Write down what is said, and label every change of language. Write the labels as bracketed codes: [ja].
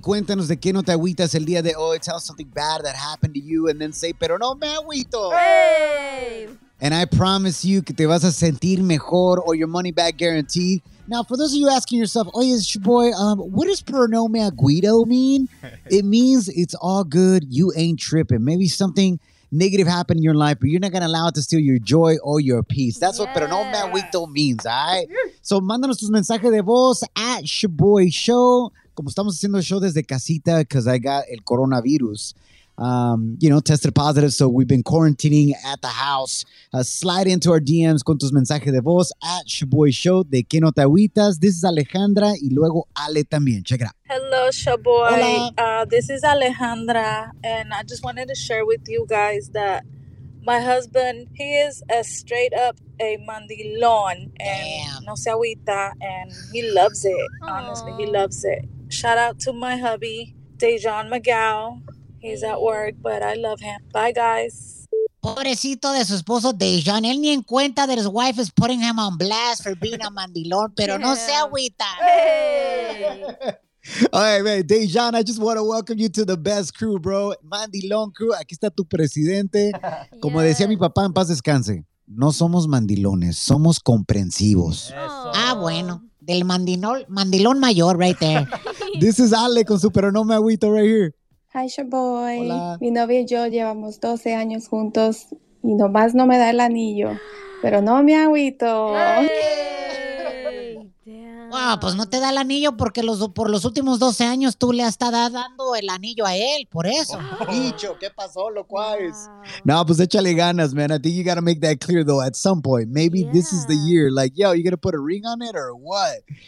[es] Cuéntanos de qué no te agüitas el día de hoy. [en] Tell something bad that happened to you and then say, Pero No Me Agüito. Hey. And I promise you [es] que te vas a sentir mejor [en] or your money back guaranteed. Now, for those of you asking yourself, oye, it's your boy, what does Pero No Me Agüito mean? It means it's all good. You ain't tripping. Maybe something negative happened in your life, but you're not going to allow it to steal your joy or your peace. That's what Pero No Me Agüito means, all right? [es] So, mándanos tus mensajes de voz at Shaboy Show. Como estamos haciendo el show desde casita, [en] because I got el coronavirus, you know, tested positive. So, we've been quarantining at the house. Slide into our DMs [es] con tus mensajes de voz [en] at Shaboy Show. [es] ¿De qué no te agüitas? [en] This is [es] Alejandra y luego Ale también. [en] Check it out. Hello, Shaboy. [es] Hola. [en] This is Alejandra, and I just wanted to share with you guys that my husband, he is a straight up a mandilón, and [es] no se agüita, [en] and he loves it. Aww. Honestly, he loves it. Shout out to my hubby, Dejan McGow. He's at work, but I love him. Bye, guys. [es] Pobrecito de su esposo Dejan, él ni en cuenta [en] that his wife is putting him on blast for being a [es] mandilón, pero [en] yeah. [es] No se agüita. Hey. [en] All right, man, Dejan, I just want to welcome you to the best crew, bro. [es] Mandilón crew, aquí está tu presidente. Como decía mi papá, en paz descanse, no somos mandilones, somos comprensivos. Eso. Ah, bueno, del mandilón mayor [en] right there. This is Ale [es] con su pero no me agüito [en] right here. Hi, your boy. Hola. [es] Mi novia y yo llevamos 12 años juntos y nomás no me da el anillo, pero no me agüito. Hey. Wow, pues no te da el anillo porque por los últimos 12 años tú le has estado dando el anillo a él, por eso. Bicho, ¿qué pasó, loquais? No, pues échale ganas, [en] man. I think you gotta make that clear, though, at some point. Maybe this is the year. Like, yo, you gonna put a ring on it or what?